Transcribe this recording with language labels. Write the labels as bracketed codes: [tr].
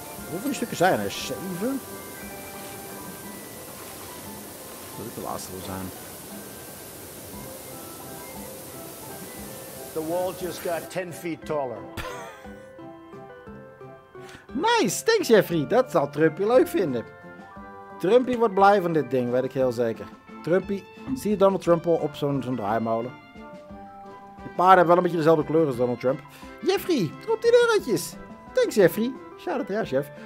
[nl] Hoeveel stukken zijn er? 7? Dat ik de laatste wil zijn. [en] The wall just got 10 feet taller. Nice, thanks Jeffrey. [nl] Dat zal Trumpy leuk vinden. Trumpy wordt blij van dit ding, weet ik heel zeker. Trumpy, zie je Donald Trump al op zo'n draaimolen? Die paarden hebben wel een beetje dezelfde kleur als Donald Trump. [en] Jeffrey, [nl] drop die deurtjes. [en] Thanks Jeffrey. Shout out to you, chef.